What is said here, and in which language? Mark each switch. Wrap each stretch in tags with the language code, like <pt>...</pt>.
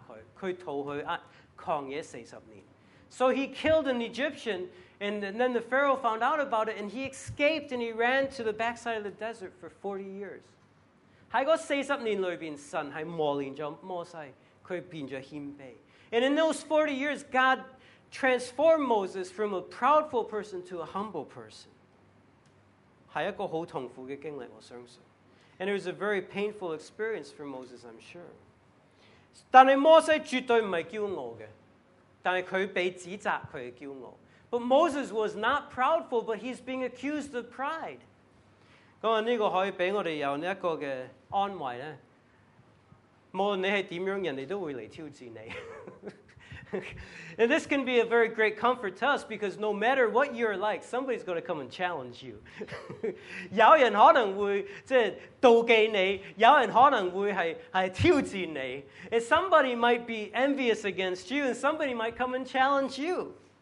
<zh>但是他杀了个埃及人,接着他逃走,法老要杀他,他逃去旷野40年。</zh> <en>So he killed an Egyptian, and then the Pharaoh found out about it, and he escaped, and he ran to the backside of the desert for 40 years.</en> <zh>在那40年里面,神是磨练了摩西,他变成谦卑。</zh> <en>And in those 40 years, God transformed Moses from a proudful person to a humble person.</en> <zh>是一个很痛苦的经历,我相信。</zh> <en>And it was a very painful experience for Moses, I'm sure.</en> <zh>但是摩西绝对不是骄傲的,但是他被指责他的骄傲。</zh> <en>But Moses was not proudful, but he's being accused of pride.</en> <zh>这个可以给我们有一个安慰。无论你是怎样,人家都会来挑战你。</zh> <en>And this can be a very great comfort to us because no matter what you're like, somebody's going to come and challenge you.</en> <zh>有人可能会妒忌你，有人可能会挑战你。</zh> <en>And somebody might be envious against you and somebody might come and challenge you.</en>